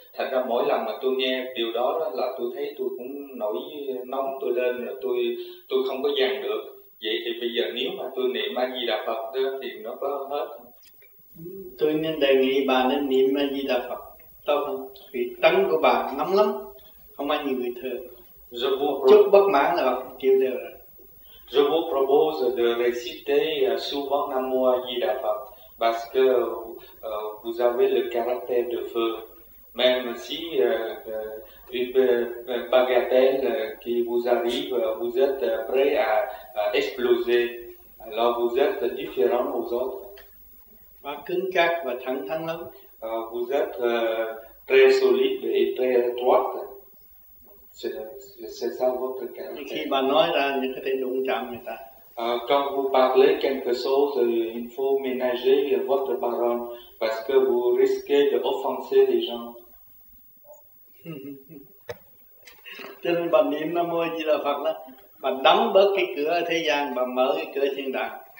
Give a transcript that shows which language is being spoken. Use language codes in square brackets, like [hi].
[vi] Thành ra mỗi lần mà tôi nghe điều đó là tôi thấy tôi cũng nổi nóng tôi lên, là tôi không có dằn được. Vậy thì bây giờ nếu mà tôi niệm A Di Đà Phật đó, thì nó có hết. Tôi nên đề nghị bà nên niệm A Di Đà Phật to hơn, vì tánh của bà nóng lắm, không ai như người thường. Chút bất mãn là bà chịu được rồi. [fr] Je vous propose de réciter souvent Namo Ajida Phat parce que vous avez le caractère de feu. Même si une bagatelle qui vous arrive, vous êtes prêt à exploser. Alors vous êtes différent aux autres. Vous êtes très solide et très étroite. C'est ça votre caractère. Quand vous parlez quelque chose, il faut ménager votre parole parce que vous risquez d'offenser les gens. [vi] Cho nên bà niệm Nam Mô A Di Đà Phật là bà đóng bớt cái cửa thế gian, bà mở cái cửa thiên đàng.